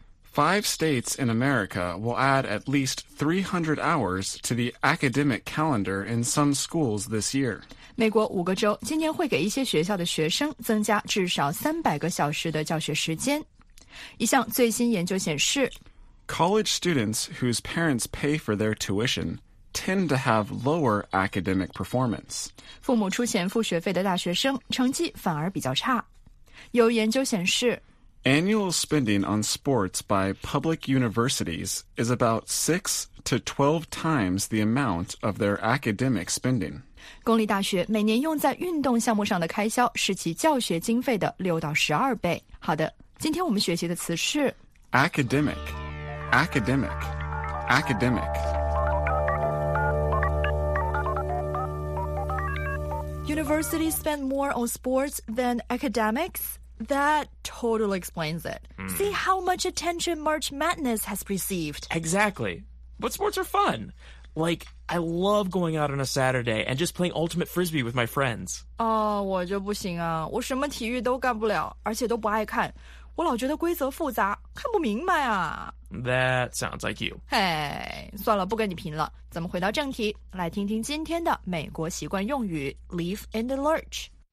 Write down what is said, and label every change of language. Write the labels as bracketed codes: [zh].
[en] Five states in America will add at least 300 hours to the academic calendar in some schools this year. [zh] 美国五个州今年会给一些学校的学生增加至少300个小时的教学时间。一项最新研究显示 [en] ,College students whose parents pay for their tuition tend to have lower academic performance. [zh] 父母出钱付学费的大学生成绩反而比较差。有研究显示 [en] ,Annual spending on sports by public universities is about 6 to 12 times the amount of their academic spending. [zh] 公立大学每年用在运动项目上的开销是其教学经费的6到12倍。好的，今天我们学习的词是 [en] academic, academic, academic. Universities spend more on sports than academics? That totally explains it. See how much attention March Madness has received. Exactly. But sports are fun. Like... I love going out on a Saturday and just playing Ultimate Frisbee with my friends. [zh] 哦、我就不行啊，我什么体育都干不了，而且都不爱看。我老觉得规则复杂，看不明白啊。 [en] That sounds like you. Hey, [zh] 算了，不跟你贫了。咱们回到正题，来听听今天的美国习惯用语 [en] Leave and the Lurch.